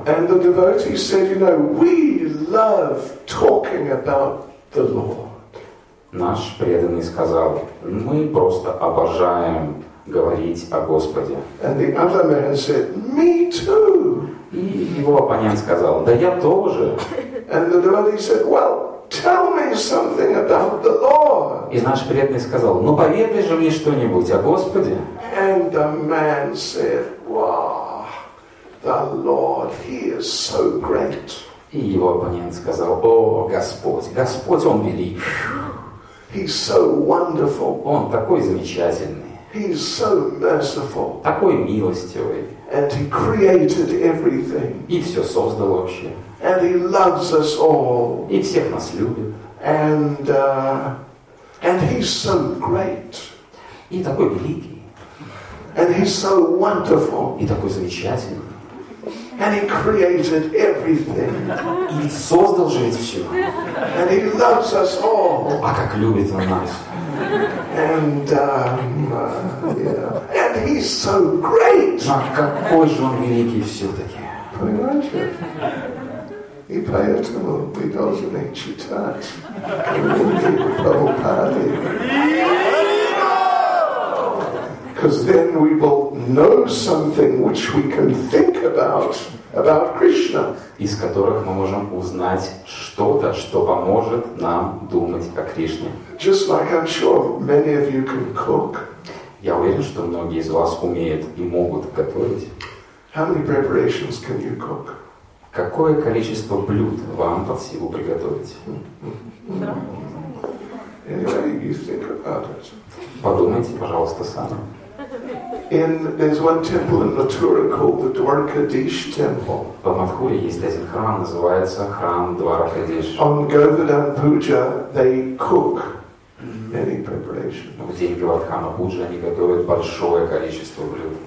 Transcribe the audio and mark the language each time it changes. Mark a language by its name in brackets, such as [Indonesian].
[English] And the devotee said, you know, we love talking about the Lord. [Russian] Наш преданный сказал, мы просто обожаем говорить о Господе. [English] And the other man said, me too. [Russian] И его оппонент сказал, да я тоже. [English] And the devotee said, well, tell me something about the Lord. [Russian] И наш преданный сказал, ну поведай же мне что-нибудь о Господе. [English] And the man said, wow, the Lord, he is so great. [Russian] И его оппонент сказал, о, Господь, он велик. [English] He's so wonderful. [Russian] Он такой замечательный. [English] He's so merciful. [Russian] Такой милостивый. [English] And he created everything. [Russian] И все создал вообще. [English] And he loves us all. [Russian] И всех нас любит. [English] And he's so great. [Russian] И такой великий. [English] And he's so wonderful. [Russian] И такой замечательный. [English] And he created everything. [Russian] И создал же это все. [English] And he loves us all. [Russian] А как любит он нас. [English] And he's so great. [Russian] А какой же он великий все-таки. И поэтому мы должны читать книги Прабхупады. [English] Because then we will know something which we can think about Krishna. [Russian] Из которых мы можем узнать что-то, что поможет нам думать о Кришне. [English] Just like I'm sure many of you can cook. [Russian] Я уверен, что многие из вас умеют и могут готовить. [English] How many preparations can you cook? [Russian] Какое количество блюд вам под силу приготовить? [English] Anyway, you think about it. [Russian] Подумайте, пожалуйста, сами. [English] There's one temple in Mathura called the Dwarkadish Temple. [Russian] В Мадхуре есть один храм, называется храм Дваракадиш. [English] On Govardhan Puja they cook many preparations. [Russian] В день Говардхана Пуджи они готовят большое количество блюд.